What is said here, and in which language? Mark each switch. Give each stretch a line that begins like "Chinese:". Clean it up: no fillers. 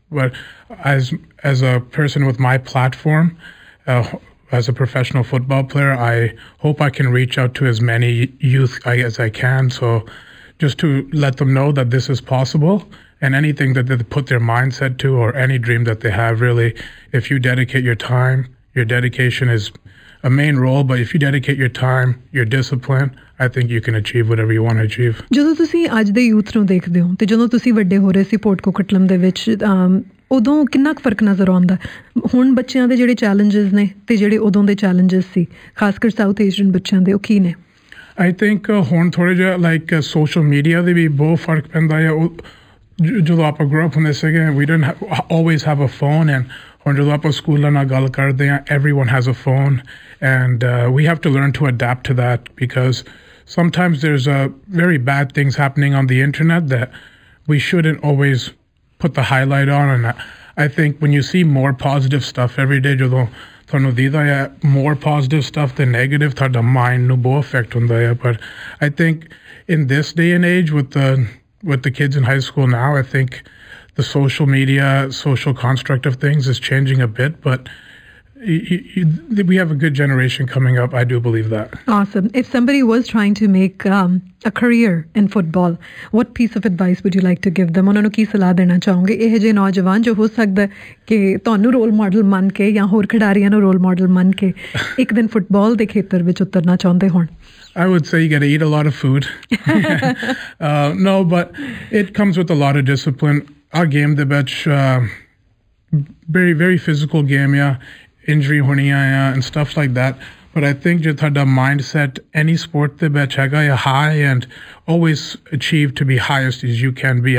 English: But as a person with my platform, as a professional football player, I hope I can reach out to as many youth as I can, so just to let them know that this is possible, and anything that they put their mindset to or any dream that they have, really, if you dedicate your time, your dedication is a main role, but if you dedicate your time, your discipline, I think you can achieve whatever you want to achieve.
Punjabi: ਜਦੋਂ ਤੁਸੀਂ ਅੱਜ ਦੇ youth ਨੂੰ ਦੇਖਦੇ ਹੋ ਤੇ ਜਦੋਂ ਤੁਸੀਂ ਵੱਡੇ ਹੋ ਰਹੇ ਸੀ ਪੋਰਟਕੋਕਟਲਮ ਦੇ ਵਿੱਚ ਉਦੋਂ ਕਿੰਨਾ ਫਰਕ ਨਜ਼ਰ ਆਉਂਦਾ ਹੁਣ ਬੱਚਿਆਂ ਦੇ ਜਿਹੜੇ ਚੈਲੰਜਸ ਨੇ ਤੇ ਜਿਹੜੇ ਉਦੋਂ ਦੇ ਚੈਲੰਜਸ ਸੀ ਖਾਸ ਕਰ ਸਾਊਥ ਏਸ਼ੀਅਨ ਬੱਚਿਆਂ ਦੇ ਉਹ ਕੀ ਨੇ?
English: I think
Punjabi: ਹੁਣ ਥੋੜੇ ਜਿਹਾ ਲਾਈਕ ਸੋਸ਼ਲ ਮੀਡੀਆ ਦੇ ਵੀ ਬਹੁਤ ਫਰਕ ਪੈਂਦਾ ਆ. ਜਦੋਂ ਆਪਾਂ ਗਰੋਅ ਅਪ ਹੁੰਦੇ ਸੀਗੇ,
English: we didn't always have a phone, and
Punjabi: ਹੁਣ ਜਦੋਂ ਆਪਾਂ ਸਕੂਲਾਂ ਨਾਲ ਗੱਲ ਕਰਦੇ ਹਾਂ,
English: Everyone has a phone, and we have to learn to adapt to that, because sometimes there's a very bad things happening on the internet that we shouldn't always put the highlight on. And I think when you see more positive stuff every day,
Punjabi: ਜਦੋਂ ਤੁਹਾਨੂੰ ਦੀਦਾ ਆ
English: more positive stuff than negative,
Punjabi: ਤੁਹਾਡਾ mind ਨੂੰ ਬਹੁਤ effect ਹੁੰਦਾ ਆ.
English: But I think in this day and age with the kids in high school now, I think the social media, social construct of things is changing a bit, but we have a good generation coming up. I do believe that. Awesome. If somebody was trying to make a career in football, what piece of advice would you like to give them?
Punjabi: ਉਹਨਾਂ ਨੂੰ ਕੀ ਸਲਾਹ ਦੇਣਾ ਚਾਹੋਗੇ ਇਹ ਜਿਹੇ ਨੌਜਵਾਨ ਜੋ ਹੋ ਸਕਦਾ ਕਿ ਤੁਹਾਨੂੰ ਰੋਲ ਮਾਡਲ ਮੰਨ ਕੇ ਜਾਂ ਹੋਰ ਖਿਡਾਰੀਆਂ ਨੂੰ ਰੋਲ ਮਾਡਲ ਮੰਨ ਕੇ ਇੱਕ ਦਿਨ ਫੁੱਟਬਾਲ ਦੇ ਖੇਤਰ ਵਿੱਚ ਉਤਰਨਾ ਚਾਹੁੰਦੇ ਹੋਣ?
English: I would say you got to eat a lot of food. No, but it comes with a lot of discipline. Our game, the bench, very, very physical game, yeah. Injury, hernia, yeah, and stuff like that. But I think your mindset, any sport, high and always achieve to be highest as you can be.